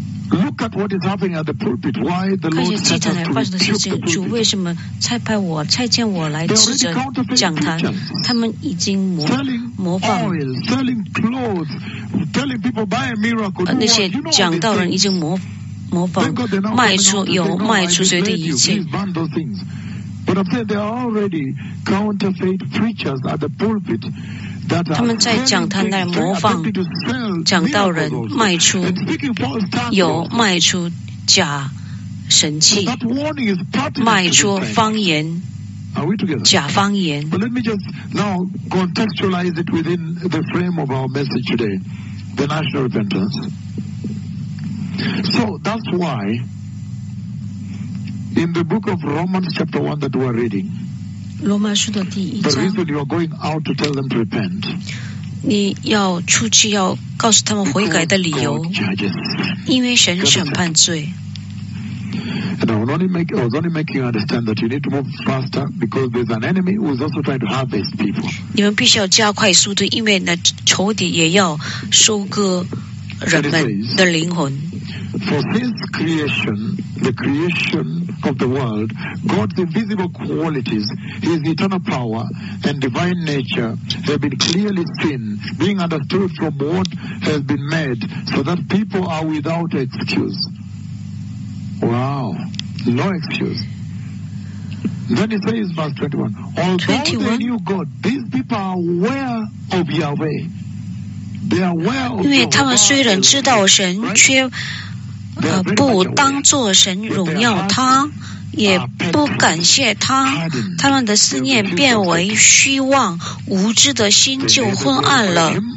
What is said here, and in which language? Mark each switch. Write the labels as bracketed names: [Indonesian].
[English] look at what is happening at the pulpit. Why the Lord has to rebuke the pulpit? [Chinese] 主为什么差派我差遣我来指着讲坛？他们已经模仿 [English] oil, selling clothes, telling people buy a miracle. [Chinese] 那些讲道人已经模仿卖出谁的一切。 [English] But I'm saying there are already counterfeit preachers at the pulpit that are [Chinese] 他们在讲坛那里模仿讲道人卖出有卖出假神器卖出方言假方言。 [English] But let me just now contextualize it within the frame of our message today, the national repentance. So that's why. In the book of Romans, chapter 1 that we are reading, [Chinese] 罗马书的第一章 [English] the reason you are going out to tell them to repent, [Chinese] 你要出去要告诉他们悔改的理由，因为神审判罪。 [English] And I was only making you understand that you need to move faster because there's an enemy who is also trying to harvest people. [Chinese] 你们必须要加快速度，因为那仇敌也要收割人们的灵魂。 [English] For since creation, the creation of the world, God's invisible qualities, His eternal power and divine nature have been clearly seen, being understood from what has been made, so that people are without excuse. Wow, no excuse. Then it says, verse 21, although they knew God, these people are aware of Yahweh. [Chinese] 因为他们虽然知道神，却不当作神荣耀他，也不感谢他。他们的思念变为虚妄，无知的心就昏暗了。